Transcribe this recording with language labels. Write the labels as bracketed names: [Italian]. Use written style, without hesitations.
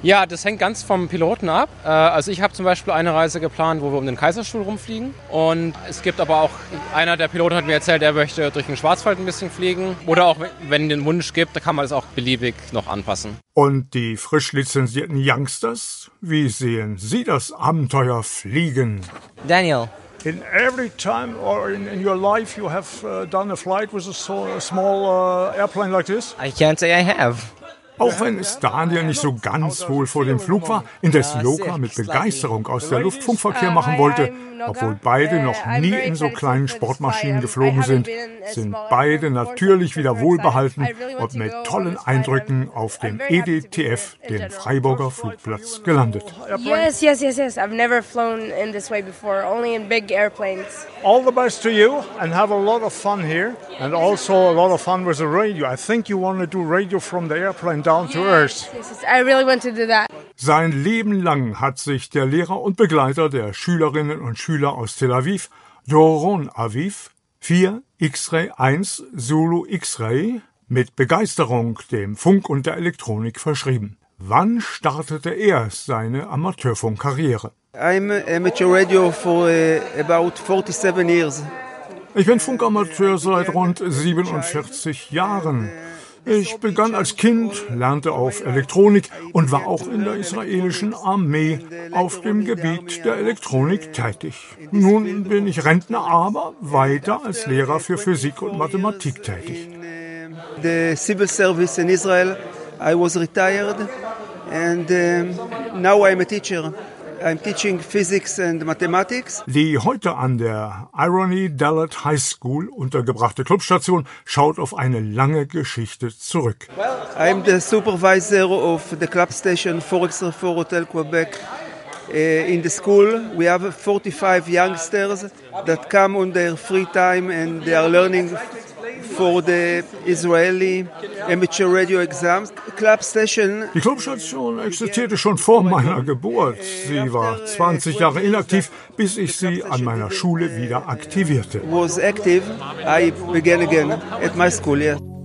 [German] Ja, das hängt ganz vom Piloten ab. Also ich habe zum Beispiel eine Reise geplant, wo wir um den Kaiserstuhl rumfliegen. Und es gibt aber auch, einer der Piloten hat mir erzählt, er möchte durch den Schwarzwald ein bisschen fliegen. Oder auch, wenn den Wunsch gibt, da kann man es auch beliebig noch anpassen. Und die frisch lizenzierten Youngsters, wie sehen Sie das Abenteuer fliegen? Daniel. [English] In every time or in your life you have done a flight with a small airplane like this? I can't say I have. [German] Auch wenn es Daniel nicht so ganz wohl vor dem Flug war, indes Loka mit Begeisterung aus der Luftfunkverkehr machen wollte, obwohl beide noch nie in so kleinen Sportmaschinen geflogen sind, sind beide natürlich wieder wohlbehalten und mit tollen Eindrücken auf dem EDTF, dem Freiburger Flugplatz, gelandet. [English] Yes. I've never flown in this way before, only in big airplanes. All the best to you and have a lot of fun here and also a lot of fun with the radio. I think you want to do radio from the airplane down to earth. I really want to do that. [German] Sein Leben lang hat sich der Lehrer und Begleiter der Schülerinnen und Schüler aus Tel Aviv, Doron Aviv, 4X-Ray 1 Zulu X-Ray, mit Begeisterung dem Funk und der Elektronik verschrieben. Wann startete er seine Amateurfunkkarriere? [English] I'm amateur radio for about 47 years. [German] Ich bin Funkamateur seit rund 47 Jahren. Ich begann als Kind, lernte auf Elektronik und war auch in der israelischen Armee auf dem Gebiet der Elektronik tätig. Nun bin ich Rentner, aber weiter als Lehrer für Physik und Mathematik tätig. [English] The civil service in Israel. I was retired and now I'm a teacher I'm teaching physics and mathematics. [German] Die heute an der Irony Dalat High School untergebrachte Clubstation schaut auf eine lange Geschichte zurück. [English] I'm the supervisor of the club station Forexer for Hotel Quebec. In the school, we have 45 youngsters that come on their free time and they are learning for the Israeli amateur radio exams. Club station. [German] Die Clubstation existierte schon vor meiner Geburt. Sie war 20 Jahre inaktiv, bis ich sie an meiner Schule wieder aktivierte. [English] Was active, I began again at my school, yeah.